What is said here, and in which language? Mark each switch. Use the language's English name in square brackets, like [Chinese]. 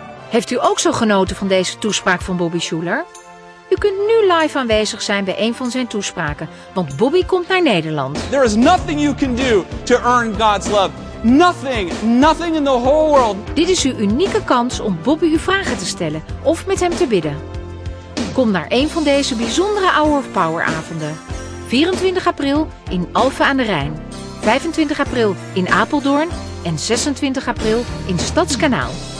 [Dutch] Heeft u ook zo genoten van deze toespraak van Bobby Schuller? U kunt nu live aanwezig zijn bij een van zijn toespraken, want Bobby komt naar Nederland. [English] There is nothing you can do to earn God's love. Nothing, nothing in the whole world. [Dutch] Dit is uw unieke kans om Bobby uw vragen te stellen of met hem te bidden. Kom naar een van deze bijzondere Hour of Power avonden. 24 april in Alphen aan de Rijn, 25 april in Apeldoorn en 26 april in Stadskanaal.